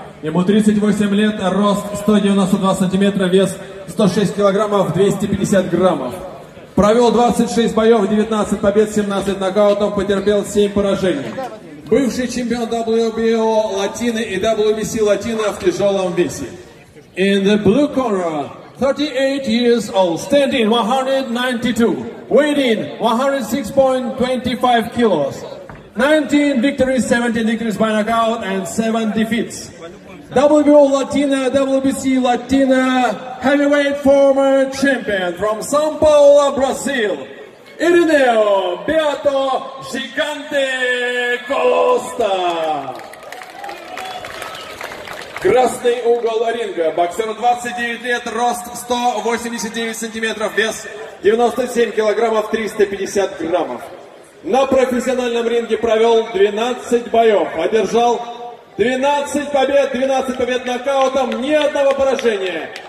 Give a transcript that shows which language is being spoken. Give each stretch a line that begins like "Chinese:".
Russian: Ему 38 лет, рост 192 сантиметра, вес 106 килограммов, 250 граммов. Провел 26 боев, 19 побед, 17 нокаутов, потерпел 7 поражений. Бывший чемпион WBO Latino и WBC Latino в тяжелом весе.
English: In the blue corner, 38 years old, standing 192, weighing 106.25 kilos, 19 victories, 17 victories by knockout and 7 defeats. WBO Latina, WBC Latina, heavyweight former champion from São Paulo, Brazil, Irineu Beato Gigante Costa.
Russian: Красный угол ринга. Боксер 29 лет, рост 189 сантиметров, вес 97 килограммов, 350 граммов. На профессиональном ринге провел 12 боев, одержал 12 побед, 12 побед нокаутом, ни одного поражения.